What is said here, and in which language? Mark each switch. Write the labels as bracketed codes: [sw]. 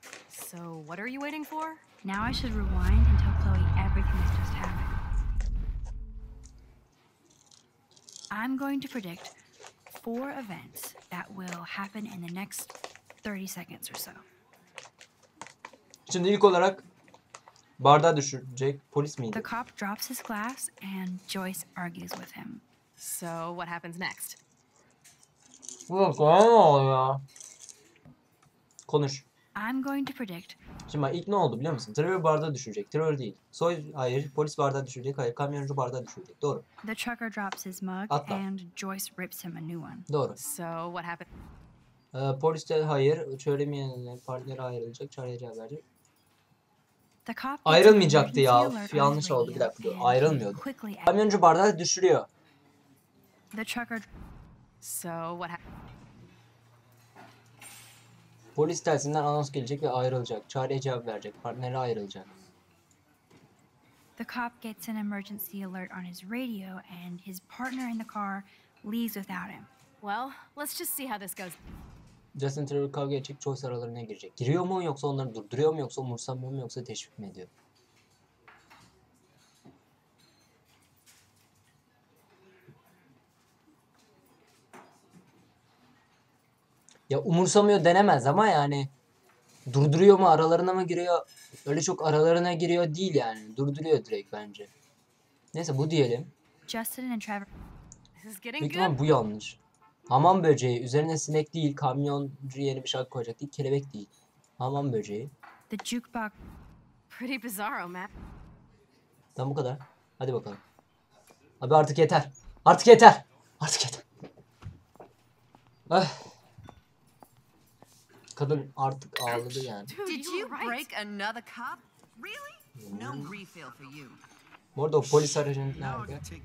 [en] So, what are you waiting for? Now I should rewind and tell Chloe everything that's just happened. I'm going to predict four events that will happen in the next 30 seconds or so. [tr] Şimdi ilk olarak bardağı düşürecek polis miydi? [en] The cop drops his glass and Joyce argues with him. So what happens next? [tr] Yok, ne oluyor ya? Konuş. [en] I'm going to predict. [tr] Şimdi ilk ne oldu biliyor musun? Trevor bardağı düşürecek. Trevor değil. Soy, hayır, polis bardağı düşürecek. Hayır, kamyoncu bardağı düşürecek. Doğru. [en] The trucker drops his mug. [tr] Atla. [en] And Joyce rips him a new one. [tr] Doğru. [en] So what happened? [tr] Polis de hayır, çöremeyenler partileri ayrılacak, çağıracağı verdi. [en] The cop [tr] ayrılmayacaktı ya. Uf, yanlış oldu, bir dakika dur. Ayrılmıyordu. Kamyoncu bardağı düşürüyor. [en] The trucker. So what happened? [tr] Polis telsinden anons gelecek ve ayrılacak. Çağrıya cevap verecek. Partneri ayrılacak. [en] The cop gets an emergency alert on his radio and his partner in the car leaves without him. Well, let's just see how this goes. [tr] Justin Trevor kavga edecek. Joyce aralarına girecek. Giriyor mu yoksa onları durduruyor mu yoksa umursamıyor mu yoksa teşvik mi ediyor? Ya umursamıyor denemez ama yani durduruyor mu, aralarına mı giriyor, öyle çok aralarına giriyor değil yani, durduruyor direkt bence. Neyse bu diyelim. [en] Justin and Trevor. [tr] Peki lan bu yanlış. Hamam böceği, üzerine sinek değil, kamyoncu yeni bir şarkı koyacak değil, kelebek değil. Hamam böceği. [en] The jukebox. Pretty bizarro, man. [tr] Tamam bu kadar. Hadi bakalım. Abi artık yeter. Artık yeter. Artık yeter. Kadın artık ağladı yani. [en] Did you break another cup? Really? No refill for you. [tr] Bu arada o polis aracının nerede?